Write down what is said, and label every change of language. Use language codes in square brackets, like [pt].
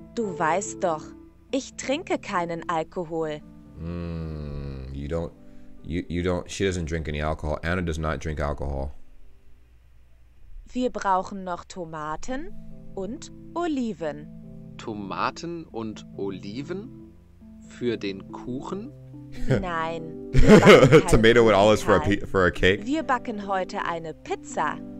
[de] Du weißt doch, ich trinke keinen Alkohol. [en] You don't she doesn't drink any alcohol. Anna does not drink alcohol. [de] Wir brauchen noch Tomaten. Und Oliven. Tomaten und Oliven? Für den Kuchen? Nein. [en] Tomato and olives for a cake? [de] Wir backen heute eine Pizza.